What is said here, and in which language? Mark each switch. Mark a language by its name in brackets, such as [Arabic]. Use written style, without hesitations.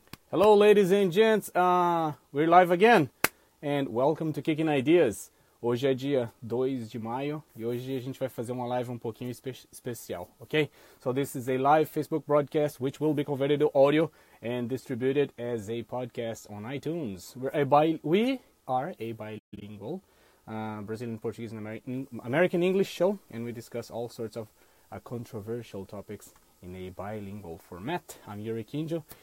[English] Hello, ladies and gents, we're live again, and welcome to Kicking Ideas. [Portuguese] Hoje é dia 2 de maio, e hoje a gente vai fazer uma live um pouquinho especial, ok? [English] So this is a live Facebook broadcast, which will be converted to audio and distributed as a podcast on iTunes. We are a bilingual Brazilian, Portuguese, and American English show, and we discuss all sorts of controversial topics in a bilingual format. I'm Yuri Kinjo.